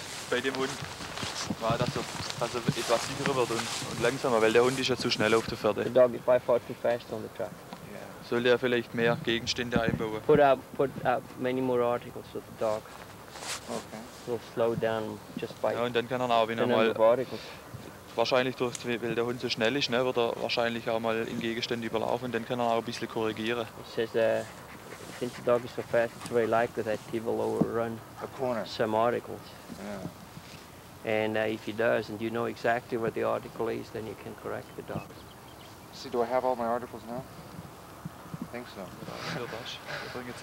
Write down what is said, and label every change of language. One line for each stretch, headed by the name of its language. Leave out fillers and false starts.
German: Bei dem Hund war, dass er etwas sicherer wird und langsamer, weil der Hund ist ja zu schnell auf der Pferde.
English: The dog is by far too fast on the track. Yeah.
German: Sollte er vielleicht mehr Gegenstände einbauen?
English: Put up many more articles with the dog. Okay. Will slow down just by.
German: Ja, und dann kann er auch wieder mal. Wahrscheinlich durch, weil der Hund so schnell ist, ne, wird er wahrscheinlich auch mal in Gegenstände überlaufen und dann kann er auch ein bisschen korrigieren.
English: Since the dog is so fast, it's very likely that he will overrun a corner. Some articles. Yeah. And if he does and you know exactly where the article is, then you can correct the dog. See, do I have all my articles now? I think so.